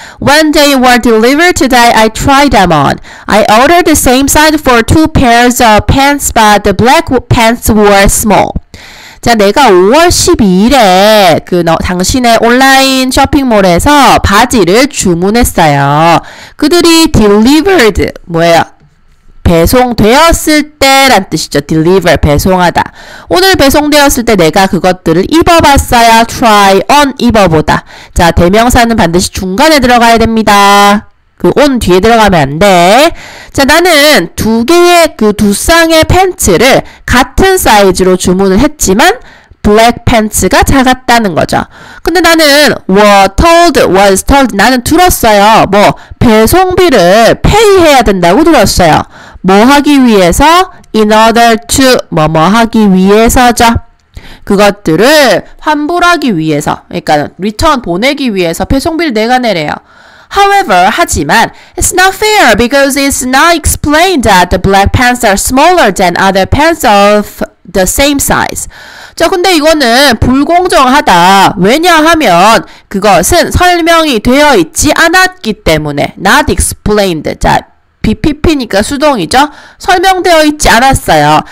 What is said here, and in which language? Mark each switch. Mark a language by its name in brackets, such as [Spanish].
[English] When they were delivered today, I tried them on. I ordered the same size for two pairs of pants, but the black pants were small. [Korean] 자, 내가 5월 12일에 당신의 온라인 쇼핑몰에서 바지를 주문했어요. 그들이 delivered, 뭐예요? 배송되었을 때란 뜻이죠. deliver, 배송하다. 오늘 배송되었을 때 내가 그것들을 입어봤어야 [English] try on [Korean] 입어보다. 자, 대명사는 반드시 중간에 들어가야 됩니다. 그 on 뒤에 들어가면 안 돼. 자, 나는 두 개의 그 두 쌍의 팬츠를 같은 사이즈로 주문을 했지만 black pants가 작았다는 거죠. 근데 나는 [English] was told [Korean] 나는 들었어요. 뭐 배송비를 pay해야 된다고 들었어요. 뭐 하기 위해서? [English] In order to [Korean] 뭐뭐 하기 위해서죠. 그것들을 환불하기 위해서, 그러니까 return 보내기 위해서 배송비를 내가 내래요. [English] However, [Korean] 하지만 [English] it's not fair because it's not explained that the black pants are smaller than other pants of the same size. [Korean] 자, 근데 이거는 불공정하다. 왜냐하면 그것은 설명이 되어 있지 않았기 때문에 [English] not explained that [Korean] BPP니까 수동이죠. 설명되어 있지 않았어요.